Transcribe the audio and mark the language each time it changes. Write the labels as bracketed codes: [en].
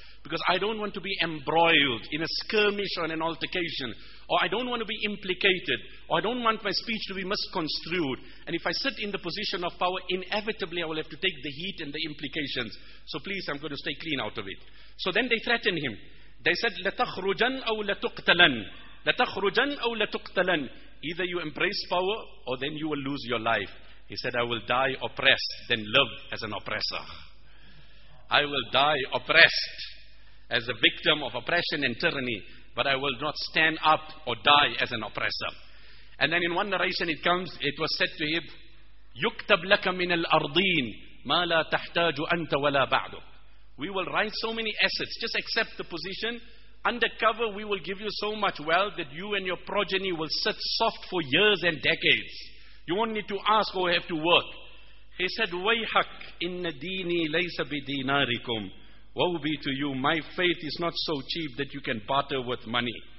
[en] Because I don't want to be embroiled in a skirmish or in an altercation. Or I don't want to be implicated. Or I don't want my speech to be misconstrued. And if I sit in the position of power, inevitably I will have to take the heat and the implications. So please, I'm going to stay clean out of it. So then they threatened him. They said, [ar] لَتَخْرُجَنْ أَوْ لَتُقْتَلَنْ لَتَخْرُجَنْ أَوْ لَتُقْتَلَنْ. [en] Either you embrace power or then you will lose your life. He said, I will die oppressed than live as an oppressor. I will die oppressed as a victim of oppression and tyranny, but I will not stand up or die as an oppressor. And then in one narration it comes, it was said to him, [ar] يُكْتَبْ لَكَ مِنَ الْأَرْضِينَ مَا لَا تَحْتَاجُ أَنْتَ وَلَا بَعْدُ. [en] We will write so many assets, just accept the position. Undercover we will give you so much wealth that you and your progeny will sit soft for years and decades. You won't need to ask or have to work. He said, [ar] وَيْحَكْ إِنَّ دِينِي لَيْسَ بِدِينَارِكُمْ. [en] Woe be to you, my faith is not so cheap that you can barter with money.